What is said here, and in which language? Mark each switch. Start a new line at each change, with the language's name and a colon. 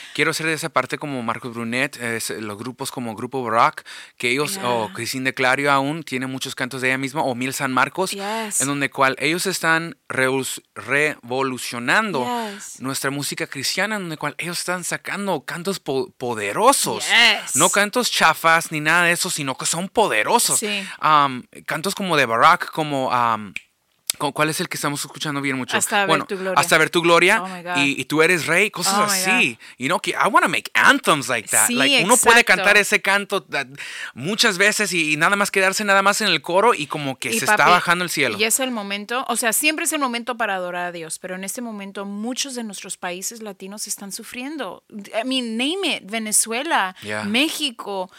Spanish: Quiero ser de esa parte como Marcos Brunet, los grupos como Grupo Rock, que ellos, Christine DeClario aún tiene muchos cantos de ella misma, o Mil San Marcos, en donde cual ellos están revolucionando nuestra música cristiana, en donde cual ellos están sacando cantos poderosos. No cantos chafas ni nada de eso, sino que son poderosos. Cantos como de Barack, como... ¿Cuál es el que estamos escuchando bien mucho? Hasta ver tu gloria. Y tú eres rey, cosas así.
English: You know, I want to make anthems like that.
Spanish: Uno puede cantar ese canto muchas veces y nada más quedarse nada más en el coro y como que está bajando el cielo. Y es el momento, o sea, siempre es el momento para adorar a Dios, pero en este momento muchos de nuestros países latinos están sufriendo.
English: I mean, name it, Venezuela, México,